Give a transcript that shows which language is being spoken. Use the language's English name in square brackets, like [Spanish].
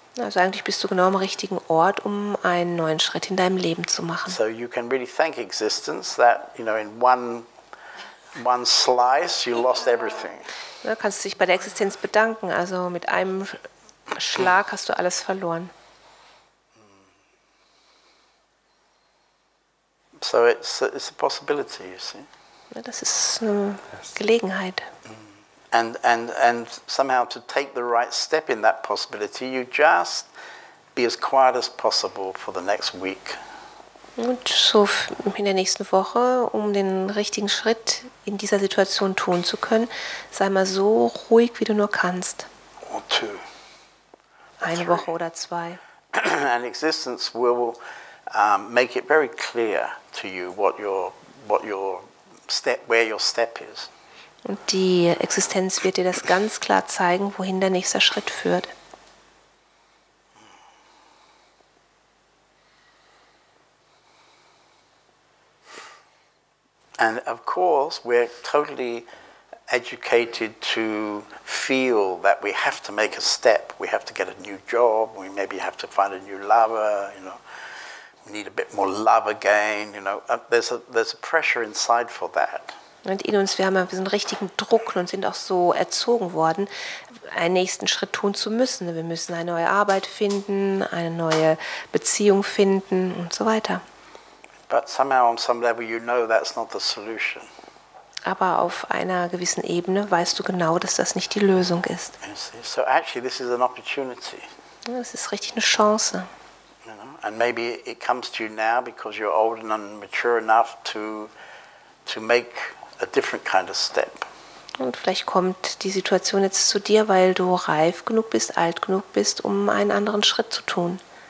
[German] Also eigentlich bist du genau am richtigen Ort, um einen neuen Schritt in deinem Leben zu machen. [English] So you can really thank existence that, you know, in one slice you lost everything. [German] Du kannst dich bei der Existenz bedanken, also mit einem Schlag hast du alles verloren. [English] So it's a possibility, you see. [German] Ja, das ist eine Gelegenheit. [English] And somehow to take the right step in that possibility, you just be as quiet as possible for the next week. [German] Und so in der nächsten Woche, um den richtigen Schritt in dieser Situation tun zu können, sei mal so ruhig, wie du nur kannst. [English] Or two. Or [German] eine [English] three. [German] Woche oder zwei. [English] And existence will make it very clear to you what your step, where your step is. [German] Und die Existenz wird dir das ganz klar zeigen, wohin der nächste Schritt führt. [English] And of course, we're totally educated to feel that we have to make a step. We have to get a new job. We maybe have to find a new lover. You know, we need a bit more love again. You know, there's a pressure inside for that. [German] Und in uns, wir haben einen richtigen Druck und sind auch so erzogen worden, einen nächsten Schritt tun zu müssen. Wir müssen eine neue Arbeit finden, eine neue Beziehung finden und so weiter. [English] But somehow on some level you know that's not the solution. [German] Aber auf einer gewissen Ebene weißt du genau, dass das nicht die Lösung ist. [English] So actually this is an opportunity. [German] Das ist richtig eine Chance. [English] You know? And maybe it comes to you now because you're old and mature enough to make a different kind of step. [German] Und vielleicht kommt die Situation jetzt zu dir, weil du reif genug bist, alt genug bist, um einen anderen Schritt zu tun.